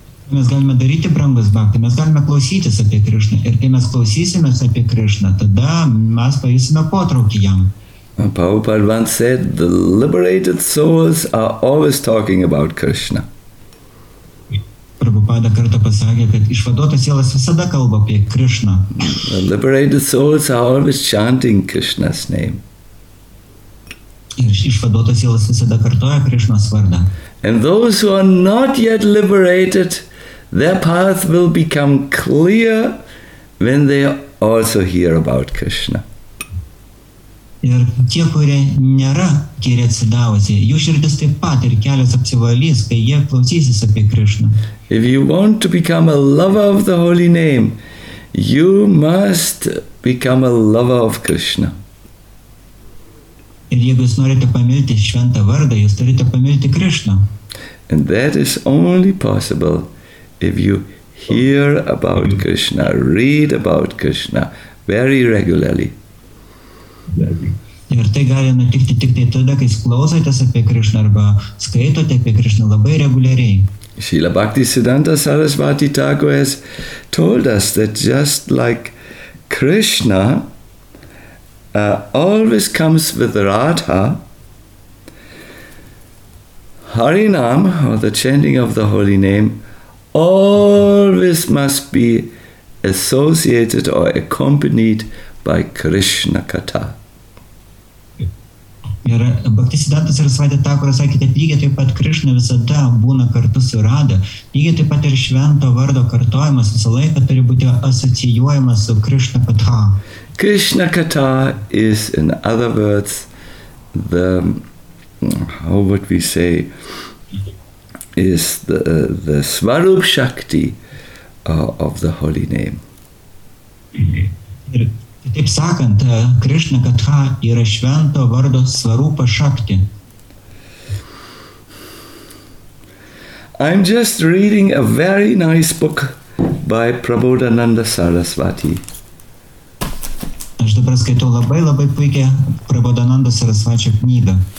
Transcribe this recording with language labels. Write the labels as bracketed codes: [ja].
[lt] Mes galime daryti brangus bhakti, mes galime klausytis apie Krishna, ir kai mes klausysimės apie Krishna, tada mes pajusime potraukį jam. [en] Prabhupada once said, the liberated souls are always talking about Krishna. [lt] Prabhupada kartą pasakė, kad išvaduotas sielas visada kalba apie Krishna. [en] The liberated souls are always chanting Krishna's name. [lt] Ir išvaduotas sielas visada kartoja Krishna's vardą. [en] And those who are not yet liberated, their path will become clear when they also hear about Krishna. [lt] Ir tie, kurie nėra geri atsidavusi, jų širdis taip pat ir kelias apsivalys, kai jie klausysis apie Krishna. [en] If you want to become a lover of the holy name, you must become a lover of Krishna. [lt] Ir jeigu jūs norite pamilti šventą vardą, jūs turite pamilti Krishna. [en] And that is only possible if you hear about Krishna, read about Krishna very regularly. [lt] Ir tai gali nutikti tik tai tada, kai klausotės apie Krišną arba skaitote apie Krišną labai reguliariai. [en] Srila Bhakti Siddhanta Sarasvati Thakur has told us that just like Krishna always comes with Radha, Harinam, or the chanting of the holy name, always must be associated or accompanied by Krishna Katha. [lt] Ir Bhaktisiddhantas ir Svaita Thakura sakė, kad lygiai taip pat Krishna visada būna kartu su Radha, lygiai taip pat ir švento vardo kartojimas visą laiką turi būti asocijuojamas su Krishna Katha. [en] Krishna Katha is, in other words, the, how would we say, is the Svarup Shakti of the holy name. [lt] Taip sakant, Krishna Katha yra švento vardo svarupa šakti. [en] I'm just reading a very nice book by Prabodhananda Sarasvati. [lt] Aš dabar skaitau labai labai puikią Prabodhananda Sarasvati knygą.